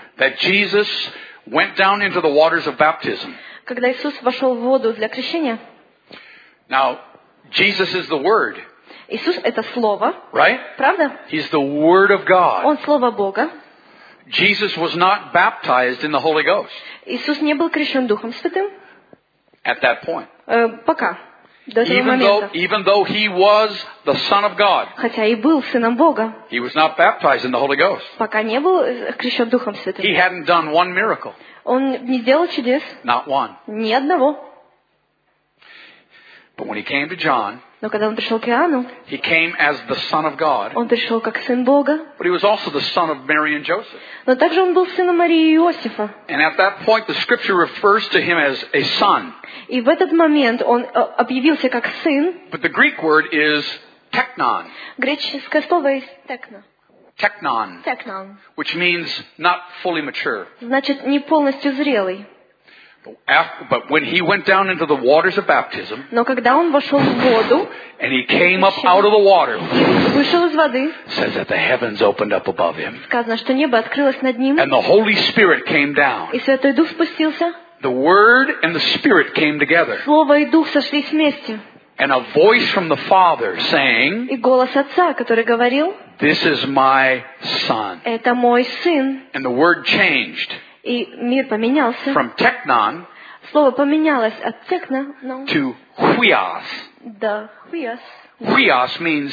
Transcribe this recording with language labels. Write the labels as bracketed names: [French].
[English] That Jesus went down into the waters of baptism. [Russian] Когда Иисус вошел в воду для крещения. [English] Now, Jesus is the Word. [Russian] Иисус это слово. [English] Right? [Russian] Правда? [English] He's the Word of God. [Russian] Он слово Бога. [English] Jesus was not baptized in the Holy Ghost. [Russian] Иисус не был крещен Духом Святым. [English] At that point. [Russian] Пока. [English] Even though he was the Son of God, [Russian] хотя и был сыном Бога, [English] he was not baptized in the Holy Ghost. [Russian] Пока не был крещен Духом Святым. [English] He hadn't done one miracle. [Russian] Он не сделал чудес. [English] Not one. [Russian] Ни одного. [English] But when he came to John, [Russian] но когда он пришел к Иоанну, [English] he came as the Son of God. [Russian] Он пришел как сын Бога. [English] But he was also the son of Mary and Joseph. [Russian] Но также он был сыном Марии и Иосифа. [English] And at that point, the Scripture refers to him as a son. [Russian] И в этот момент он объявился как сын. [English] But the Greek word is technon. [Russian] Греческое слово есть techno. [Greek] technon, technon, [English] which means not fully mature. [Russian] Значит, не полностью зрелый. [English] But when he went down into the waters of baptism, [Russian] но когда он вошел в воду, [English] and he came up out of the water, [Russian] вышел из воды, [English] says that the heavens opened up above him, [Russian] сказано, что небо открылось над ним, [English] and the Holy Spirit came down, [Russian] и Святой Дух спустился, [English] the Word and the Spirit came together, [Russian] Слово и Дух сошлись вместе, [English] and a voice from the Father saying, [Russian] и голос Отца, который говорил, [English] this is my Son, [Russian] это мой сын, [English] and the Word changed. [Russian] И мир поменялся. [English] From technon, [Russian] слово поменялось от техно, но, [English] to huios. [Russian] Да, huios. [English] Huios means